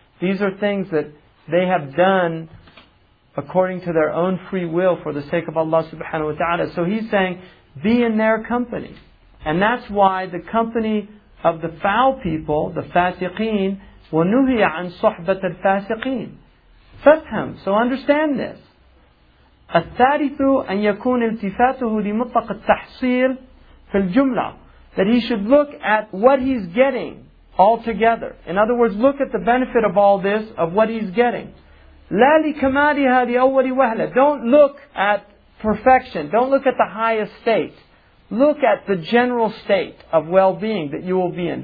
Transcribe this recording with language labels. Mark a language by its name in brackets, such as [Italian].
[English] These are things that they have done according to their own free will for the sake of Allah subhanahu wa ta'ala. So he's saying, be in their company. And that's why the company of the foul people, the fasiqeen, [Arabic] وَنُهِيَ عَنْ صُحْبَةَ الْفَاسِقِينَ فَفْهَمْ. [English] So understand this. [Arabic] الثالث أن يكون التفاته لمطلق التحصيل في الجملة. [English] That he should look at what he's getting altogether. In other words, look at the benefit of all this, of what he's getting. [Arabic] لَا لِكَمَالِهَا لِأَوَّلِ وَهْلَ. [English] Don't look at perfection. Don't look at the highest state. Look at the general state of well-being that you will be in.